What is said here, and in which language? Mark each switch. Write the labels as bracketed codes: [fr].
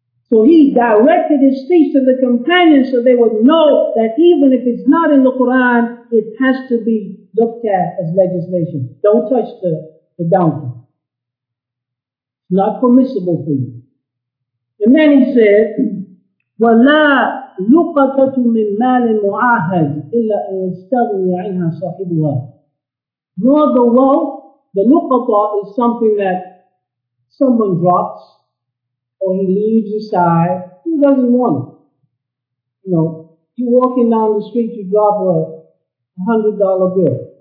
[en] So he directed his speech to the companions so they would know that even if it's not in the Quran, it has to be looked at as legislation. Don't touch the donkey. It's not permissible for you. And then he said, [ar] وَلَا لُقَطَةُ مِنْ مَالٍ مُعَاهَدْ إِلَّا أَنْ يَسْتَغْنِي عَنْهَا صَاحِبُهَا. [en] Nor the wealth, the luqata is something that someone drops, or he leaves aside, who doesn't want it? You know, you're walking down the street, you drop a $100 bill.